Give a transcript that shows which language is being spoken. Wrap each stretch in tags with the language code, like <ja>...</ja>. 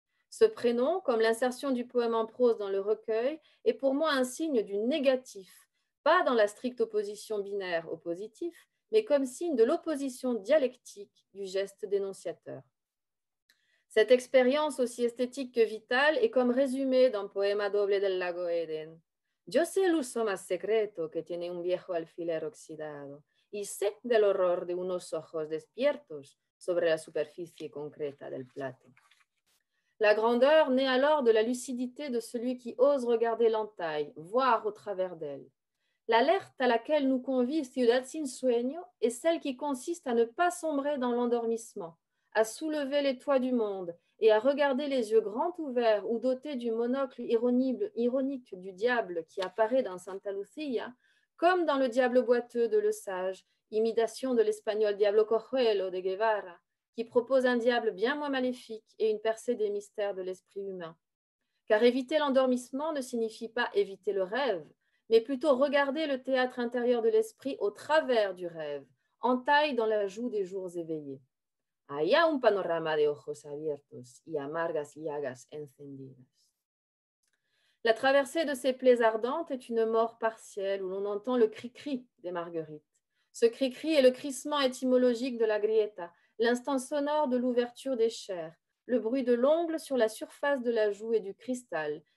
<fr>Ce prénom, comme l'insertion du poème en prose dans le recueil, est pour moi un signe du négatif, pas dans la stricte opposition binaire au positif, mais comme signe de l'opposition dialectique du geste dénonciateur. Cette expérience aussi esthétique que vitale est comme résumée dans « Poema doble del lago Eden ».</fr> <es>Yo sé el uso más secreto que tiene un viejo alfiler oxidado y sé del horror de unos ojos despiertos sobre la superficie concreta del plato.</es> <fr>La grandeur naît alors de la lucidité de celui qui ose regarder l'entaille, voir au travers d'elle. L'alerte à laquelle nous convie Ciudad sin sueño est celle qui consiste à ne pas sombrer dans l'endormissement, à soulever les toits du monde et à regarder les yeux grands ouverts ou dotés du monocle ironique du diable qui apparaît dans Santa Lucía, comme dans le diable boiteux de Le Sage, imitation de l'espagnol Diablo Cojuelo de Guevara, qui propose un diable bien moins maléfique et une percée des mystères de l'esprit humain. Car éviter l'endormissement ne signifie pas éviter le rêve, mais plutôt regarder le théâtre intérieur de l'esprit au travers du rêve, en taille dans la joue des jours éveillés.</fr> <es>Allá un panorama de ojos abiertos y amargas llagas encendidas.</es> <fr>La traversée de ces plaies ardentes est une mort partielle où l'on entend le cri-cri des marguerites. Ce cri-cri est le crissement étymologique de la grieta, l'instant sonore de l'ouverture des chairs, le bruit de l'ongle sur la surface de la joue et du cristal,</fr>